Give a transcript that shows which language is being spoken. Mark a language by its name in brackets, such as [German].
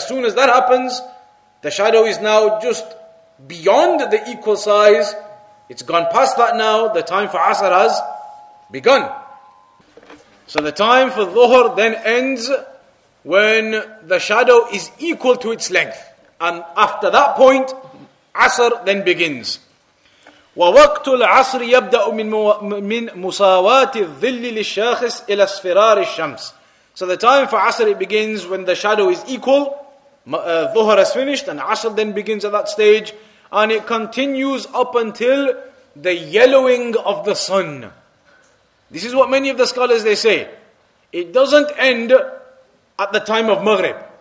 [English] As soon as that happens, the shadow is now just beyond the equal size. It's gone past that now. The time for Asr has begun. So the time for Dhuhr then ends when the shadow is equal to its length. And after that point, Asr then begins. [Arabic] ووقت العصر يبدأ من مساواة الظل للشاخص إلى اصفرار الشمس. [English] So the time for Asr, it begins when the shadow is equal. Dhuhr has finished and Asr then begins at that stage. And it continues up until the yellowing of the sun. This is what many of the scholars, they say. It doesn't end at the time of Maghrib.